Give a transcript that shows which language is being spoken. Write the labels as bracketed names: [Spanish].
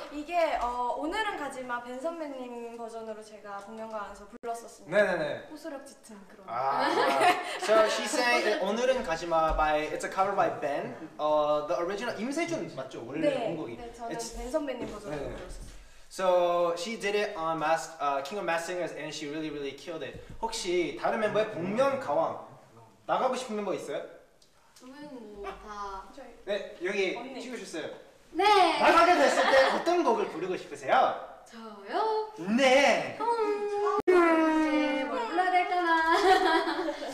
[Korean] 이게 오늘은 가지 마 벤 선배님 버전으로 제가 공연관에서 불렀었습니다. 네네네. 호소력 짙은 그런. 아, [English] so she sang 오늘은 가지 마 by it's a cover by Ben. [Korean] The original 임세준 맞죠? 원래 네, 원곡이. 네, 저는 벤 선배님 버전으로 네네네. 불렀었어요. [English] So she did it on Mask, King of Masked Singers, and she really, really killed it. [Korean] 혹시 다른 멤버의 복면 가왕 나가고 싶은 멤버 있어요? 저는 뭐 다. 네, 여기 언니. 찍으셨어요. 네. 나가게 됐을 때 어떤 곡을 부르고 싶으세요? 저요. 네. 뭘 불러야 될까나.